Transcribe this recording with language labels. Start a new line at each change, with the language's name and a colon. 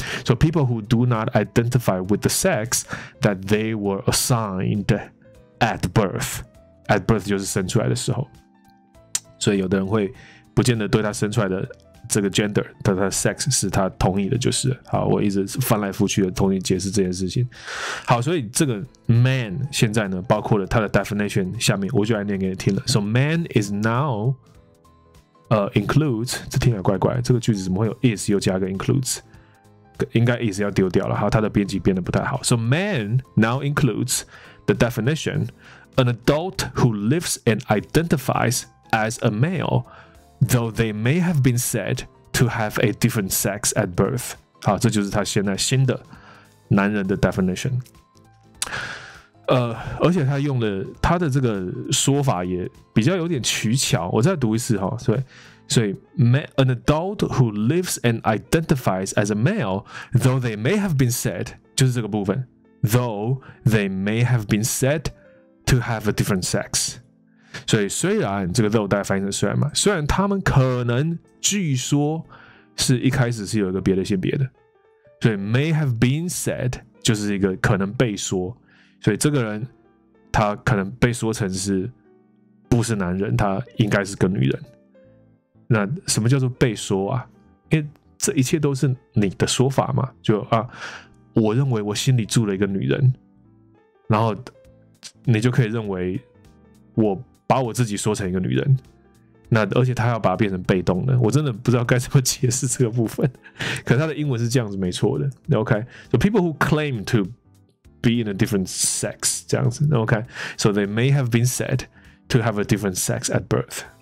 English: So people who do not identify with the sex that they were assigned at birth
Chinese: 就是生出来的时候。所以有的人会不见得对他生出来的这个 gender， 但他的 sex 是他同意的，就是好，我一直翻来覆去的同意解释这件事情。好，所以这个 man 现在呢，包括了他的 definition 下面，我就来念给你听了。
English: So man is now， includes，
Chinese: 这听起来怪怪，这个句子怎么会有 is 又加个 includes？应该 is 要丢掉了，好，它的编辑变得不太好。
English: So man now includes the definition an adult who lives and identifies as a male。 Though they may have been said to have a different sex at birth.
Chinese: 好，这就是他现在新的男人的 definition。而且他用了他的这个说法也比较有点取巧。我再读一次哈，所以
English: an adult who lives and identifies as a male, though they may have been said,
Chinese: 就是这个部分
English: though they may have been said to have a different sex.
Chinese: 所以虽然这个 though 大家翻译成虽然嘛，虽然他们可能据说是一开始是有一个别的性别的，所以
English: may have been said
Chinese: 就是一个可能被说，所以这个人他可能被说成是不是男人，他应该是个女人。那什么叫做被说啊？因为这一切都是你的说法嘛，就啊，我认为我心里住了一个女人，然后你就可以认为我。把我自己说成一个女人，那而且他要把它变成被动的，我真的不知道该怎么解释这个部分。可是他的英文是这样子没错的。
English: OK， so people who claim to be in a different sex
Chinese: 这样子。
English: OK， so they may have been said to have a different sex at birth.